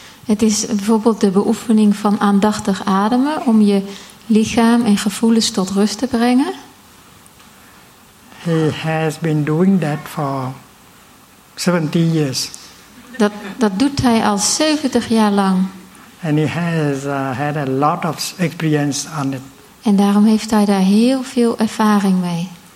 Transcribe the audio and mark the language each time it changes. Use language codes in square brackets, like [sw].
[nl] Het is bijvoorbeeld de beoefening van aandachtig ademen om je lichaam en gevoelens tot rust te brengen. [en] He has been doing that for 17 years. [nl] Dat doet hij al 70 jaar lang. [en] And he has had a lot of experience on it. [nl] En daarom heeft hij daar heel veel ervaring mee.